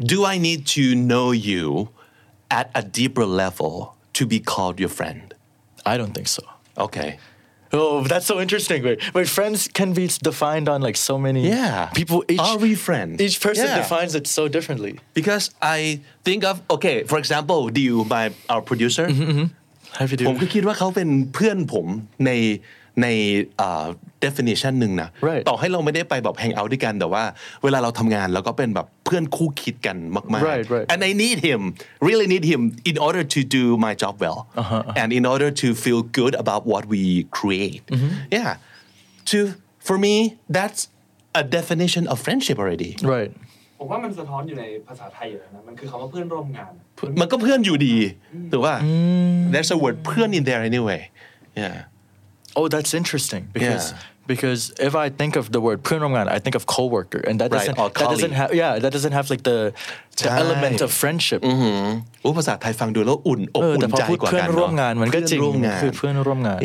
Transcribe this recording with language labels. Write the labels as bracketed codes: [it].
[en] do I need to know you at a deeper level to be called your friend I don't think so okay oh that's so interesting wait friends can be defined on like so many yeah people each, are we friends each person yeah. defines it so differently because I think of okay for example do you by our producer have you do [th] ผมก็คิดว่าเขาเป็นเพื่อนผมใน definition นึงนะ [en] right. [th] ต่อให้เราไม่ได้ไปแบบ hang out ด้วยกันแต่ว่าเวลาเราทำงานเราก็เป็นแบบเพื่อนคู่คิดกันมากๆ [en] right. and I need him really need him in order to do my job well and in order to feel good about what we create mm-hmm. yeah to for me that's a definition of friendship already right [th] ผมว่ามันสะท้อนอยู่ในภาษาไทยอยู่นะมันคือคำว่าเพื่อนร่วมงาน มันก็เพื่อนอยู่ดีถูกป่ะ [en] there's a word เพื่อน in there anyway yeah Oh, that's interesting because if I think of the word "pranongan," I think of coworker, and that doesn't have like the element of friendship. [th] Oh, ภาษาไทยฟังดูแล้วอุ่นอกอุ่นใจกว่ากัน แต่พอพู ดเพื่อนร่วมงานมันก็จริงคือเพื่อนร่วมงาน